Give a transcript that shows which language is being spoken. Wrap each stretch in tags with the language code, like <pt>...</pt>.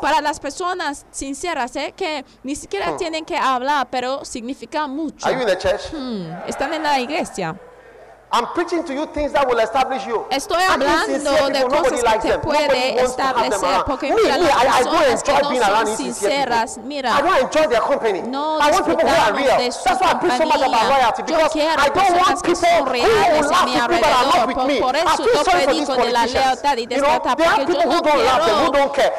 <es>Para las personas sinceras, que ni siquiera tienen que hablar, pero significa mucho.</es> <en>Are you in the church?</en> <es>Están en la iglesia.</es> <en>I'm preaching to you things that will establish you.</en> <es>Estoy hablando de cosas que te puede establecer, porque mira, las personas que no son sinceras, mira,</es> <en>I want enjoy their company.</en> <es>No disfrutar de su compañía. Yo quiero personas que son reales a mi alrededor. Por eso yo predico de la lealtad y de esta, porque yo no quiero</es>